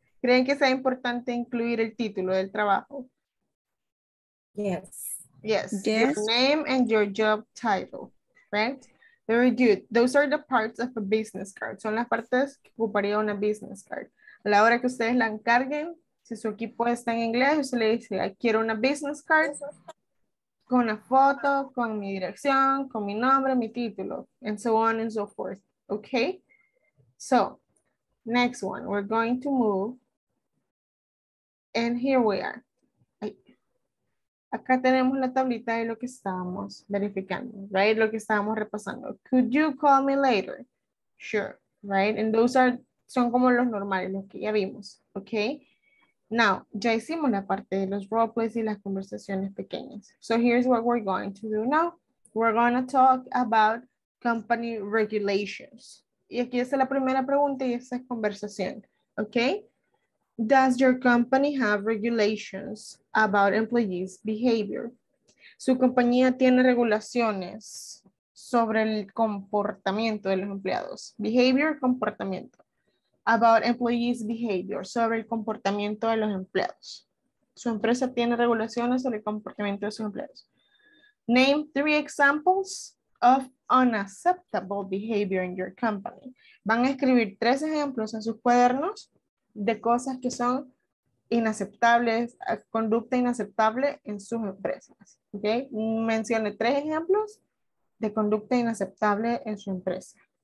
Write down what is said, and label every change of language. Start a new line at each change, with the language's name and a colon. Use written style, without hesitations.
Spanish: ¿Creen que sea importante incluir el título del trabajo?
English: Yes. Yes, your name and your job title, right? Very good. Those are the parts of a business card.
Spanish: Son las partes que ocuparía una business card. A la hora que ustedes la encarguen, si su equipo está en inglés, usted le dice, quiero una business card con una foto, con mi dirección, con mi nombre, mi título,
English: and so on and so forth.
Spanish: Okay?
English: So, next one. We're going to move. And here we are.
Spanish: Acá tenemos la tablita de lo que estábamos verificando, right? Lo que estábamos repasando.
English: Could you call me later? Sure, right? And those are,
Spanish: son como los normales, los que ya vimos, okay? Now, ya hicimos la parte de los roleplays y las conversaciones pequeñas.
English: So here's what we're going to do now. We're going to talk about company regulations.
Spanish: Y aquí es la primera pregunta y esa es conversación, okay?
English: Does your company have regulations about employees' behavior?
Spanish: ¿Su compañía tiene regulaciones sobre el comportamiento de los empleados? Behavior, comportamiento.
English: About employees' behavior,
Spanish: sobre el comportamiento de los empleados. ¿Su empresa tiene regulaciones sobre el comportamiento de sus empleados?
English: Name three examples of unacceptable behavior in your company.
Spanish: Van a escribir tres ejemplos en sus cuadernos de cosas que son inaceptables, conducta inaceptable en sus empresas. ¿Okay? Mencione tres ejemplos de conducta inaceptable en su empresa.